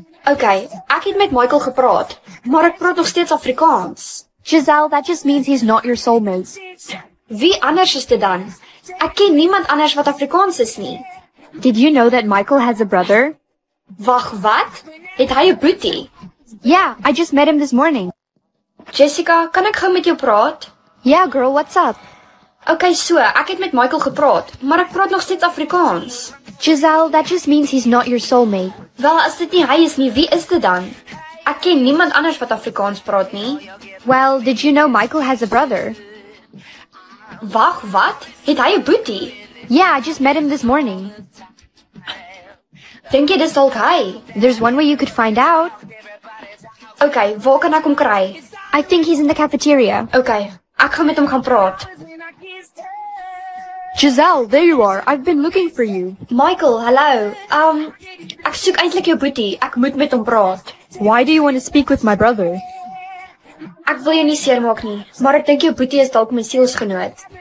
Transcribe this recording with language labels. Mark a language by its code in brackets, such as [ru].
[af] Okay, ek het met Michael gepraat, maar ek praat nog steeds Afrikaans. [en] Jezelle, that just means he's not your soulmate. [af] Wie anders is dit dan? Ek ken niemand anders wat Afrikaans is nie. [en] Did you know that Michael has a brother? [af] Wag, wat? Het hy 'n boetie? [en] Yeah, I just met him this morning. [af] Jessica, kan ek gou met jou praat? [en] Yeah, girl, what's up? [af] Okay, so, ek het met Michael gepraat, maar ek praat nog steeds Afrikaans. [en] Jezelle, that just means he's not your soulmate. [af] Wel, as dit nie hy is nie, wie is dit dan? Ek ken niemand anders wat Afrikaans praat nie. [en] Well, did you know Michael has a brother? [af] Wag, wat? Het hy 'n boetie? [en] Yeah, I just met him this morning. [af] Dink jy dis dalk hy? [en] There's one way you could find out. [af] Okay, waar kan ek hom kry? [en] I think he's in the cafeteria. [af] Okay, ek gaan met hom gaan praat. [en] Jezelle, there you are. I've been looking for you. Michael, hello. [af] Ek soek eintlik jou boetie. Ek moet met hom praat. [en] Why do you want to speak with my brother? [af] Ek wil jou nie seermaak nie, maar ek dink jou boetie is dalk my sielsgenoot.